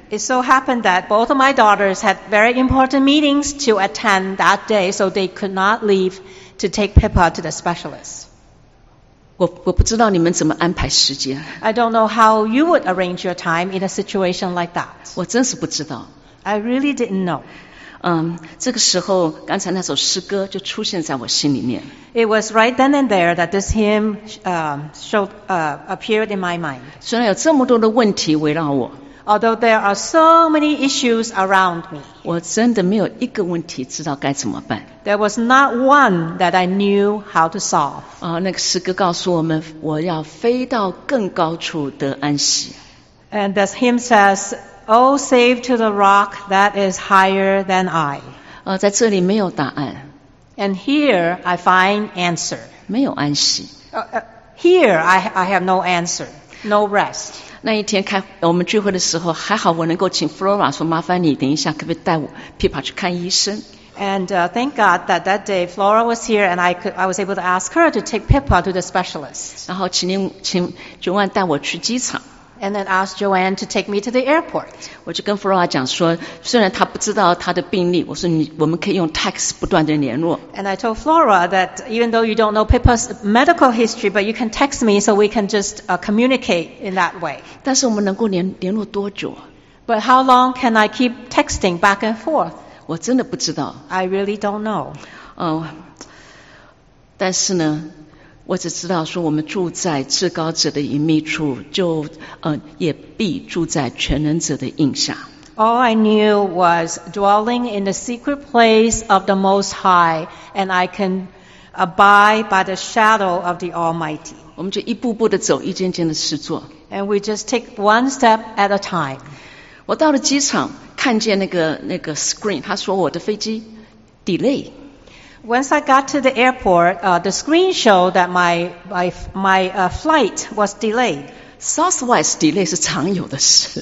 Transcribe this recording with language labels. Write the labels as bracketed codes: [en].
[en] It so happened that both of my daughters had very important meetings to attend that day, so they could not leave to take Pippa to the specialist. [zh] 我不知道你们怎么安排时间。 [en] I don't know how you would arrange your time in a situation like that. [zh] 我真是不知道。 [en] I really didn't know. [zh] 这个时候，刚才那首诗歌就出现在我心里面。 [en] It was right then and there that this hymn appeared in my mind. [zh] 虽然有这么多的问题围绕我。 [en] Although there are so many issues around me, [zh] 我真的没有一个问题知道该怎么办。 [en] There was not one that I knew how to solve. [zh] 那个诗歌告诉我们，我要飞到更高处得安息。 [en] And this hymn says, "Oh, save to the rock that is higher than I." [zh] 在这里没有答案。 [en] And here I find answer. [zh] 没有安息。 [en] Here I have no answer, no rest. [zh] 那一天开我们聚会的时候，还好我能够请 Flora 说，麻烦你等一下，可不可以带我 Pippa 去看医生？ [en] And thank God that day Flora was here, and I was able to ask her to take Pippa to the specialist. [zh] 然后请 Joanne 带我去机场。 [en] And then asked Joanne to take me to the airport. [zh] 我就跟 Flora 讲说，虽然她不知道她的病历，我说我们可以用 text 不断的联络。 [en] And I told Flora that even though you don't know Pippa's medical history, but you can text me so we can just communicate in that way. [zh] 但是我们能够联络多久？ [en] But how long can I keep texting back and forth? [zh] 我真的不知道。 [en] I really don't know. [zh] 但是呢，我只知道说我们住在至高者的隐秘处，就也必住在全能者的荫下。 [en] All I knew was dwelling in the secret place of the Most High, and I can abide by the shadow of the Almighty. [zh] 我们就一步步的走，一件件的事做。 [en] And we just take one step at a time. [zh] 我到了机场，看见那个 screen， 他说我的飞机 delay。 [en] Once I got to the airport, the screen showed that my flight was delayed. [zh] Southwest delay 是常有的事。